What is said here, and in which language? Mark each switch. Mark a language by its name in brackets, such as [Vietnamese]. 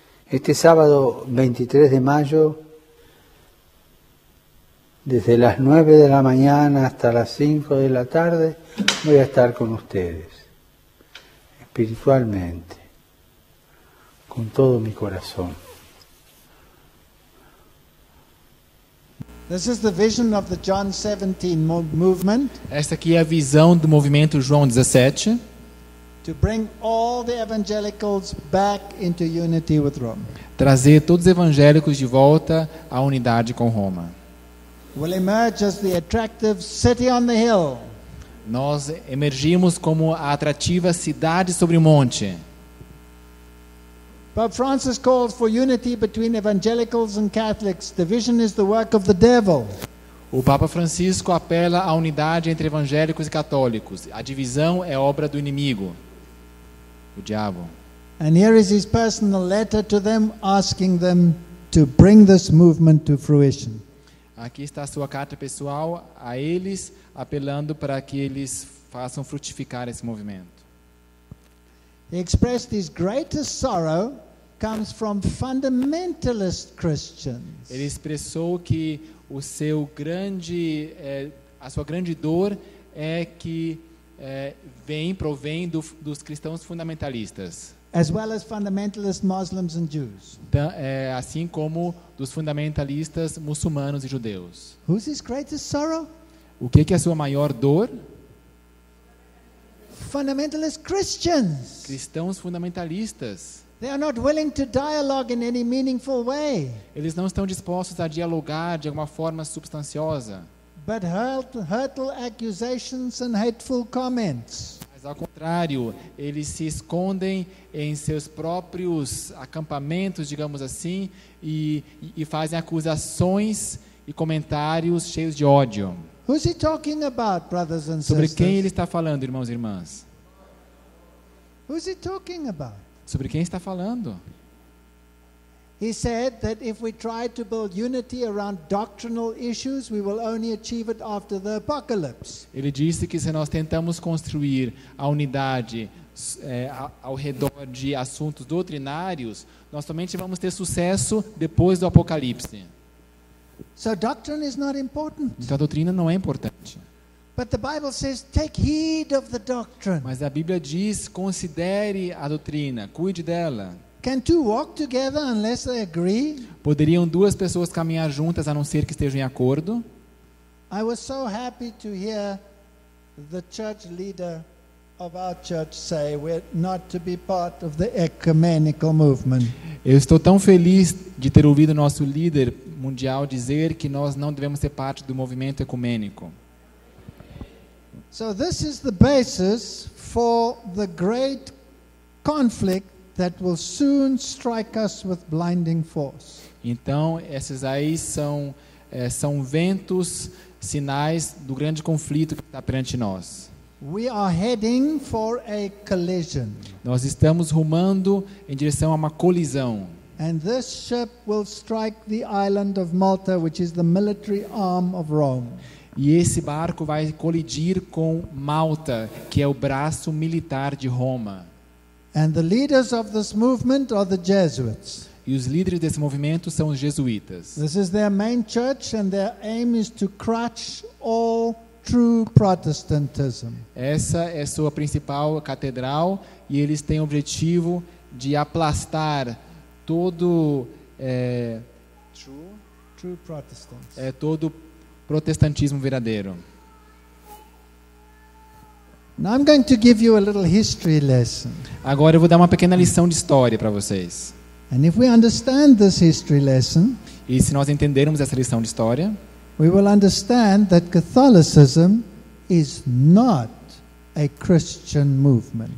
[Spanish] Este sábado 23 de mayo, desde las 9 de la mañana hasta las 5 de la tarde, voy a estar con ustedes, espiritualmente, con todo mi corazón. [English] This is the vision of the John 17 movement. [Portuguese] Esta aqui é a visão do movimento João 17. [English] To bring all the evangelicals back into unity with Rome. [Portuguese] Trazer todos os evangélicos de volta à unidade com Roma. [English] We'll emerge as the attractive city on the hill. [Portuguese] Nós emergimos como a atrativa cidade sobre o monte. [English] Pope Francis calls for unity between evangelicals and Catholics. Division is the work of the devil. [Portuguese] O Papa Francisco apela à unidade entre evangélicos e católicos. A divisão é obra do inimigo, o diabo. [English] And here is his personal letter to them, asking them to bring this movement to fruition. [Portuguese] Aqui está a sua carta pessoal a eles, apelando para que eles façam frutificar esse movimento. [English] He expressed his greatest sorrow comes from fundamentalist Christians. [Portuguese] Ele expressou que o seu grande, a sua grande dor é que provém dos cristãos fundamentalistas. [English] As well as fundamentalist Muslims and Jews. [Portuguese] Assim como dos fundamentalistas muçulmanos e judeus. [English] Who's his greatest sorrow? [Portuguese] O que é a sua maior dor? [English] Fundamentalist Christians. [Portuguese] Cristãos fundamentalistas. [English] They are not willing to dialogue in any meaningful way. [Portuguese] Eles não estão dispostos a dialogar de alguma forma substanciosa. [English] But hurtle accusations and hateful comments. [Portuguese] Mas ao contrário, eles se escondem em seus próprios acampamentos, digamos assim, e fazem acusações e comentários cheios de ódio. [English] Who's he talking about, brothers and sisters? [Portuguese] Sobre quem ele está falando, irmãos e irmãs? [English] Who's he talking about? [Portuguese] Sobre quem está falando? [English] He said that if we try to build unity around doctrinal issues, we will only achieve it after the apocalypse. [Portuguese] Ele disse que se nós tentamos construir a unidade ao redor de assuntos doutrinários, nós somente vamos ter sucesso depois do apocalipse. [English] So doctrine is not important. [Portuguese] Então a doutrina não é importante. [English] But the Bible says, take heed of the doctrine. [Portuguese] Mas a Bíblia diz, considere a doutrina, cuide dela. [English] Can two walk together unless they agree? [Portuguese] Poderiam duas pessoas caminhar juntas a não ser que estejam em acordo? [English] I was so happy to hear the church leader of our church say we're not to be part of the ecumenical movement. [Portuguese] Eu estou tão feliz de ter ouvido nosso líder mundial dizer que nós não devemos ser parte do movimento ecumênico. [English] So this is the basis for the great conflict that will soon strike us with blinding force. [Portuguese] Então, esses aí são ventos, sinais do grande conflito que está perante nós. [English] We are heading for a collision. [Portuguese] Nós estamos rumando em direção a uma colisão. [English] And this ship will strike the island of Malta, which is the military arm of Rome. [Portuguese] E esse barco vai colidir com Malta, que é o braço militar de Roma. [English] And the leaders of this movement are the Jesuits. [Portuguese] E os líderes desse movimento são os jesuítas. [English] This is their main church and their aim is to crush all true Protestantism. [Portuguese] Essa é sua principal catedral e eles têm o objetivo de aplastar todo [English] true Protestants. [Portuguese] É todo protestantismo verdadeiro. [English] Now I'm going to give you a little history lesson. [Portuguese] Agora eu vou dar uma pequena lição de história para vocês. [English] And if we understand this history lesson, [Portuguese] e se nós entendermos essa lição de história, [English] we will understand that Catholicism is not a Christian movement.